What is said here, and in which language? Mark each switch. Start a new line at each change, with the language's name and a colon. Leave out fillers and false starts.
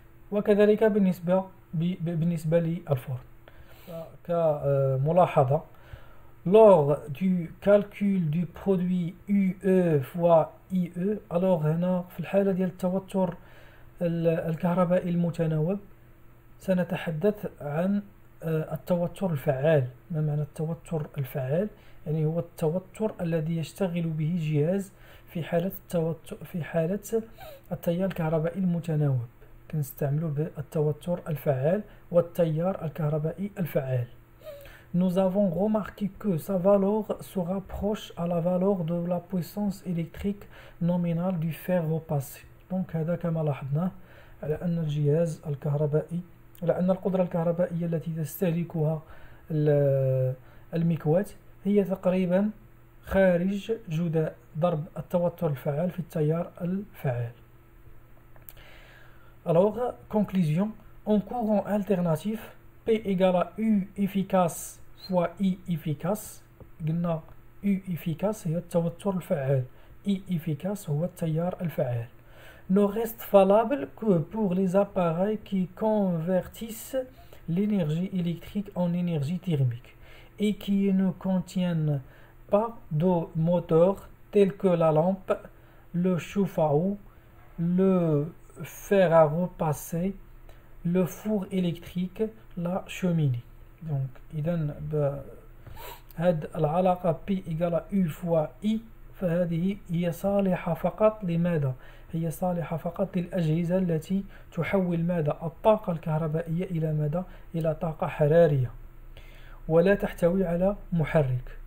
Arabic: وكذلك بالنسبة للفرن، كملاحظة
French: lors du calcul du produit UE fois IE،
Arabic: alors هنا في الحالة ديال التوتر الكهربائي المتناوب سنتحدث عن التوتر الفعال. ما معنى التوتر الفعال؟ يعني هو التوتر الذي يشتغل به جهاز في حالة التوتر، في حالة التيار الكهربائي المتناوب كنستعملوا بالتوتر الفعال والتيار الكهربائي الفعال.
French: Nous avons remarqué que sa valeur se rapproche à la valeur de la puissance électrique nominale du fer repassé.
Arabic: Donc, هذا كما لاحظنا على أن الجهاز الكهربائي، على أن القدرة الكهربائية التي تستهلكها المكواة هي تقريبا خارج جداء ضرب التوتر الفعال في التيار الفعال.
French: Alors, conclusion, en courant alternatif, P égale à U efficace fois I efficace.
Arabic: قلنا U efficace هي التوتر الفعال، I efficace هو التيار الفعال.
French: Ne reste valable que pour les appareils qui convertissent l'énergie électrique en énergie thermique et qui ne contiennent pas de moteur tels que la lampe, le chauffe-eau, le fer à repasser, le four électrique, la cheminée.
Arabic: Donc, إذن هاد العلاقة
French: P égal à U fois I،
Arabic: فهذه هي صالحة فقط لماذا؟ هي صالحة فقط للأجهزة التي تحول ماذا؟ الطاقة الكهربائية إلى ماذا؟ إلى طاقة حرارية، ولا تحتوي على محرك.